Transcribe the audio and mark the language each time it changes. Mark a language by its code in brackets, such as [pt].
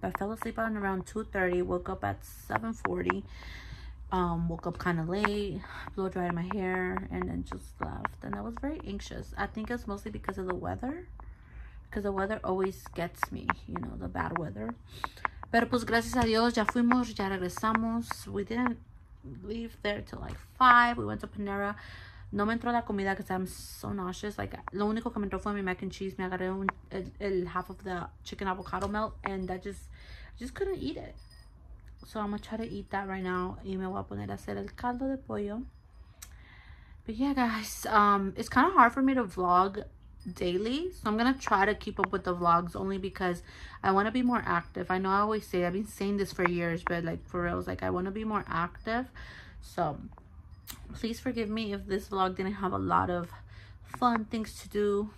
[en] I fell asleep on around 2:30, woke up at 7:40, woke up kind of late, blow dried my hair, and then just left. And I was very anxious. I think it's mostly because of the weather, because the weather always gets me, you know, the bad weather. [es] Pero pues gracias a Dios ya fuimos, ya regresamos. [en] We didn't leave there till like 5. We went to Panera. [es] No me entró la comida [en] because I'm so nauseous. [es] Like, lo único que me entró fue mi mac and cheese. Me agarré el [en] half of the chicken avocado melt. And I just couldn't eat it. So, I'm going to try to eat that right now. [es] Y me voy a poner a hacer el caldo de pollo. [en] But, yeah, guys. It's kind of hard for me to vlog daily. So, I'm going to try to keep up with the vlogs. Only because I want to be more active. I know I always say, I've been saying this for years. But, like, for real. It's like, I want to be more active. So, please forgive me if this vlog didn't have a lot of fun things to do.